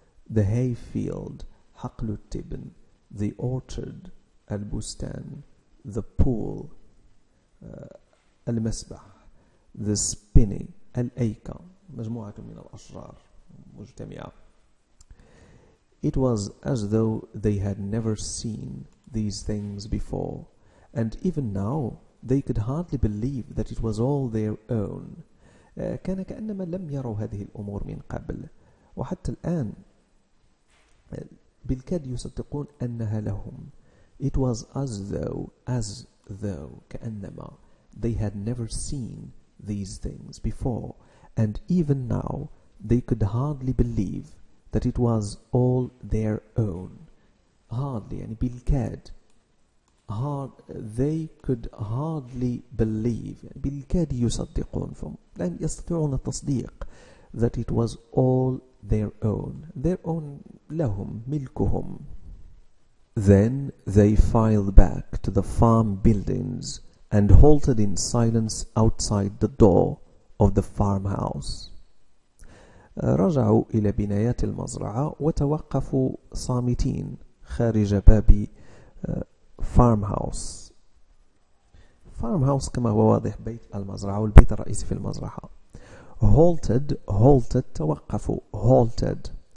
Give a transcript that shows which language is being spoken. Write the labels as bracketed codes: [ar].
[en] The hay field, [ar] حقل التبن. [en] The orchard, البستان. The pool, المسبح. [ar] The spinney, الأيكة, مجموعة من الأشجار مجتمعة. [en] It was as though they had never seen these things before, and even now they could hardly believe that it was all their own. [ar] كان كأنما لم يروا هذه الأمور من قبل, وحتى الآن بالكاد يصدقون أنها لهم. [en] It was as though, كأنما, they had never seen these things before, and even now, they could hardly believe that it was all their own. Hardly, [ar] يعني بالكاد. [en] Hard, they could hardly believe, [ar] يعني بالكاد يصدقون, لأن يستطيعون التصديق, [en] that it was all their own. Their own, [ar] لهم, ملكهم. [en] Then they filed back to the farm buildings and halted in silence outside the door of the farmhouse. [ar] رجعوا إلى بنايات المزرعة وتوقفوا صامتين خارج باب farmhouse. Farmhouse كما هو واضح بيت المزرعة والبيت الرئيسي في المزرعة. [en] Halted, halted, توقفوا, halted.